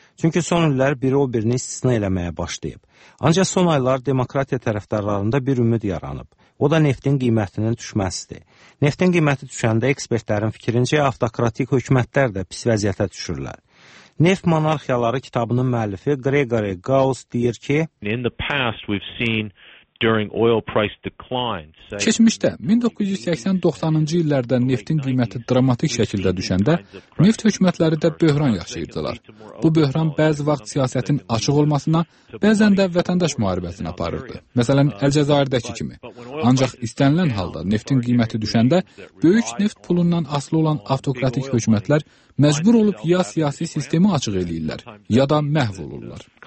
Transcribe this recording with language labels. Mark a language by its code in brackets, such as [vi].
[az] Çünki son illər biri o birini istisna eləməyə başlayıb. Ancaq son aylar demokratiya tərəfdarlarında bir ümid yaranıb. O da neftin qiymətinin düşməsidir. Neftin qiyməti düşəndə ekspertlərin fikrincə avtokratik hökumətlər də pis vəziyyətə düşürlər. Neft monarxiyaları kitabının müəllifi Gregory Gauss deyir ki, [en] In the past we've seen during oil price decline. [az] Keçmişdə 1980-90-cı illərdə neftin qiyməti dramatik şəkildə düşəndə neft hökumətləri də böhran yaşayırdılar. Bu böhran bəzi vaxt siyasətin açıq olmasına, bəzən də vətəndaş müharibəsinə aparırdı. Məsələn, Əlcəzairdəki kimi. Ancaq istənilən halda neftin qiyməti düşəndə böyük neft pulundan asılı olan avtokratik hökumətlər məcbur olub ya siyasi sistemi açıq eləyirlər, ya da məhv olurlar.